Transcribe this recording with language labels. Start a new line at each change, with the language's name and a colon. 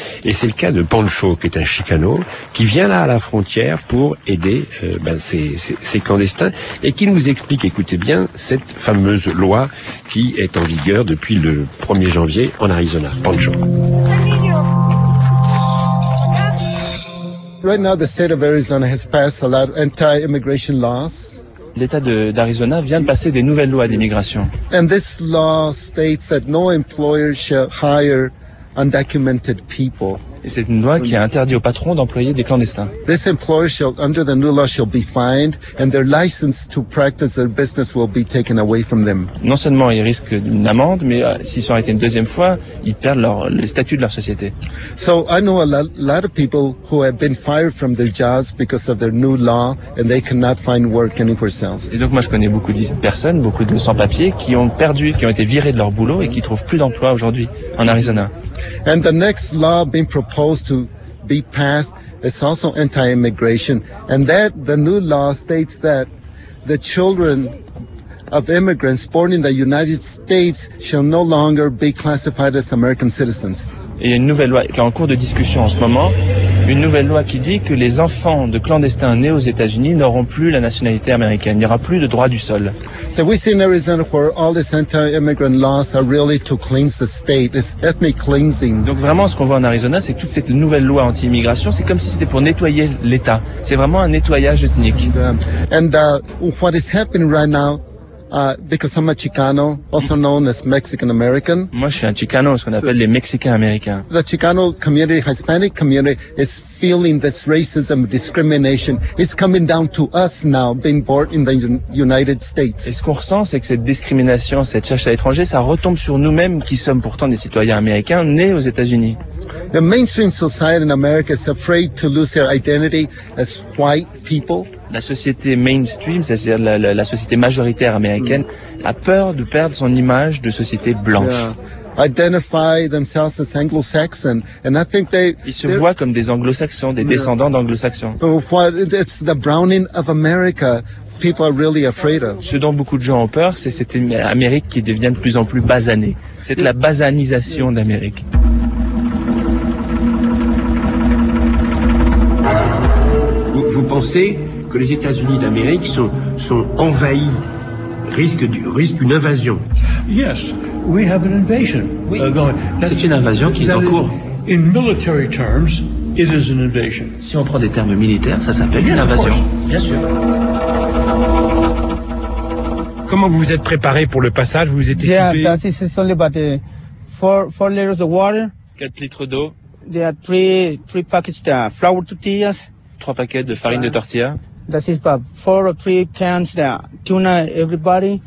French: Et c'est le cas de Pancho, qui est un Chicano, qui vient là à la frontière pour aider ses clandestins, et qui nous explique, écoutez bien, cette fameuse loi qui est en vigueur depuis le 1er janvier en Arizona. Pancho.
English: Right now, the state of Arizona has passed a lot of anti-immigration laws.
French: L'État d'Arizona vient de passer des nouvelles lois d'immigration.
English: And this law states that no employer shall hire undocumented people.
French: Et c'est une loi qui a interdit aux patrons d'employer des clandestins.
English: This employer shall, under the new law, shall be fined, and their license to practice their business will be taken away from them.
French: Non seulement ils risquent une amende, mais s'ils sont arrêtés une deuxième fois, ils perdent le statut de leur société.
English: So I know a lot of people who have been fired from their jobs because of their new law, and they cannot find work anywhere else.
French: Et donc moi je connais beaucoup de personnes, beaucoup de sans-papiers, qui ont été virés de leur boulot et qui trouvent plus d'emploi aujourd'hui en Arizona.
English: And the next law being proposed to be passed is also anti-immigration. And that the new law states that the children of immigrants born in the United States shall no longer be classified as American citizens.
French: Et il y a une nouvelle loi qui est en cours de discussion en ce moment. Une nouvelle loi qui dit que les enfants de clandestins nés aux États-Unis n'auront plus la nationalité américaine. Il n'y aura plus de droit du sol.
English: So we see in Arizona where all these anti-immigrant laws are really to cleanse the state. It's ethnic cleansing.
French: Donc vraiment, ce qu'on voit en Arizona, c'est que toute cette nouvelle loi anti-immigration, c'est comme si c'était pour nettoyer l'État. C'est vraiment un nettoyage ethnique.
English: And what is happening right now Because I'm a Chicano, also known as Mexican American.
French: Moi, je suis un Chicano, ce qu'on appelle les Mexicains américains.
English: The Chicano community, Hispanic community, is feeling this racism, discrimination. It's coming down to us now, being born in the United States.
French: Et ce qu'on ressent, c'est que cette discrimination, cette chasse à l'étranger, ça retombe sur nous-mêmes, qui sommes pourtant des citoyens américains nés aux États-Unis.
English: The mainstream society in America is afraid to lose their identity as white people.
French: La société mainstream, c'est-à-dire la société majoritaire américaine, a peur de perdre son image de société blanche.
English: Identify themselves as Anglo-Saxon, and I think
French: ils se voient comme des Anglo-Saxons, des descendants d'Anglo-Saxons.
English: It's the browning of America. People are really afraid of.
French: Ce dont beaucoup de gens ont peur, c'est cette Amérique qui devient de plus en plus basanée. C'est la basanisation d'Amérique. Vous pensez que les États-Unis d'Amérique sont envahis, risquent une invasion?
English: Yes, we have an invasion.
French: C'est une invasion qui est en cours.
English: In military terms, it is an invasion.
French: Si on prend des termes militaires, ça s'appelle une invasion. Bien sûr. Comment vous vous êtes préparé pour le passage? Vous vous êtes équipé?
English: Yeah, this is only about 4 liters of water.
French: 4 litres d'eau.
English: There are 3 packets of flour tortillas.
French: 3 paquets de farine de tortilla.
English: That is about 4 or 3 cans of tuna, everybody.